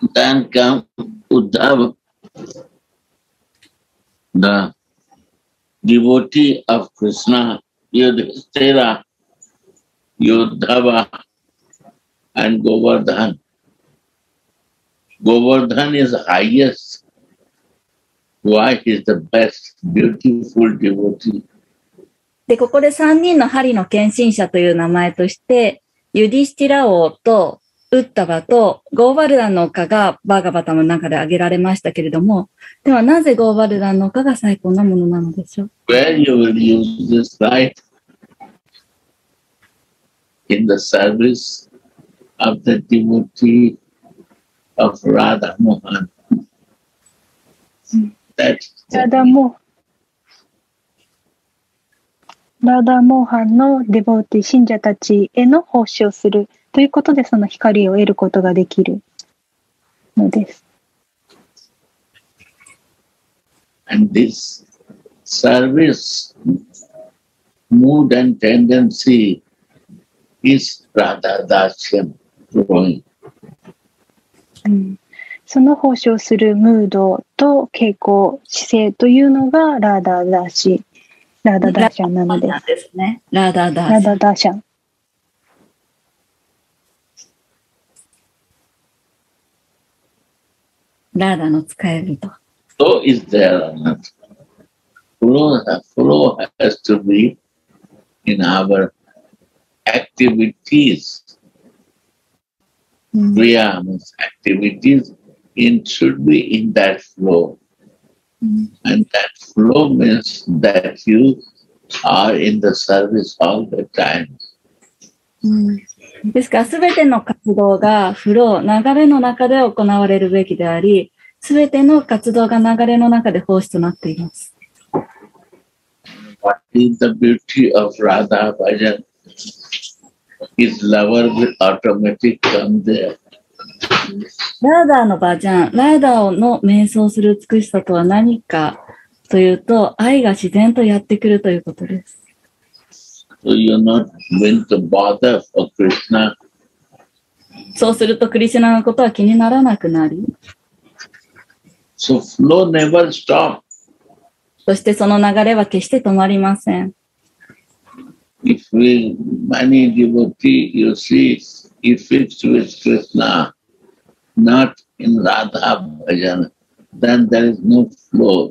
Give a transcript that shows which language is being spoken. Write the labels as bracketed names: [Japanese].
[English] Then come Uddhava The devotee of Krishna Yudhisthira Uddhava and Govardhan Govardhan is highest why he is the best beautiful devotee. [Japanese] で、ここで3人の針の献身者という名前としてユディシティラ王とウッタバとゴーバルダンの丘がバーガバタの中で挙げられましたけれども、ではなぜゴーバルダンの丘が最高なものなのでしょう。 [English] Where you will use this light in the service of the devotee of Radha Mohan. That's Radha Mohan. [Japanese] ラダモーハンのデボーティ信者たちへの奉仕をするということで、その光を得ることができるのです。 [English] And this service mood and tendency is Radha Dasyam growing. [Japanese] その奉仕をするムードと傾向姿勢というのがラダダシラダダシャンなのです。 ラダダシャン。ラダダシャン。ラダの使い人。 [English] So is there another flow has to be in our activities. Priyama's activities should be in that flow. And that flow means that you are in the service all the time. [Japanese] ですから、すべての活動がフロー、流れの中で行われるべきであり、すべての活動が流れの中で奉仕となっています。 [English] What is the beauty of Radha Bhajan? His lover will automatically come there. [Japanese] ラーダーのバージャン、ラーダーの瞑想する美しさとは何かというと、愛が自然とやってくるということです。 [English] So you're not meant to bother for Krishna. [Japanese] そうするとクリシュナのことは気にならなくなり、 [English] So flow never stop. [Japanese] そしてその流れは決して止まりません。 [English] If we many devotee, you see, if it's with KrishnaNot in Radha Bhajan, then there is no flow.